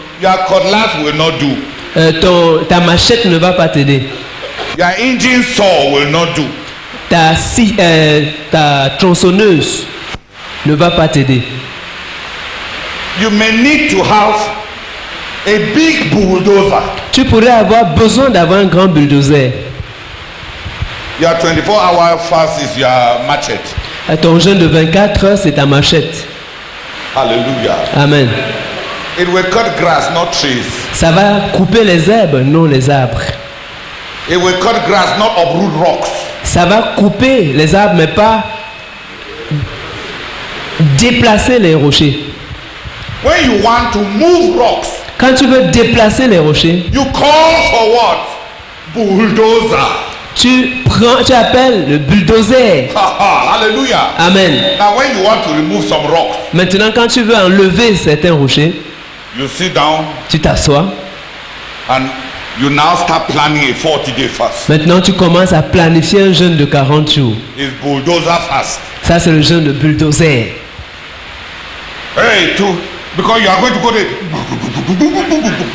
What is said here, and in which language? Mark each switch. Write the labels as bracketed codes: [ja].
[en] Your cutlass will not do. [fr] Ta machette ne va pas t'aider. [en] Your engine saw will not do. [fr] Ta tronçonneuse ne va pas t'aider. [en] You may need to have a big bulldozer. [fr] Tu pourrais avoir besoin d'avoir un grand bulldozer. [en] Your 24-hour fast is your machete. [fr] Et ton jeûne de 24 heures, c'est ta machette. [en] Hallelujah. [fr] Amen. [en] It will cut grass, not trees. [fr] Ça va couper les herbes, non les arbres. [en] It will cut grass, not uproot rocks. [fr] Ça va couper les arbres, mais pas déplacer les rochers. [en] When you want to move rocks. [fr] Quand tu veux déplacer les rochers, [en] you call for what? Bulldozer. [fr] Tu appelles le bulldozer. [en] Hallelujah. [fr] Amen. [en] Now when you want to remove some rocks, [fr] maintenant, quand tu veux enlever certains rochers, [en] you sit down, [fr] tu t'assois. [en] And you now start planning a 40-day fast. [fr] Maintenant, tu commences à planifier un jeûne de 40 jours. [en] It's bulldozer fast. [fr] Ça, c'est le jeûne de bulldozer. [en] Hey, to, because you are going to go there.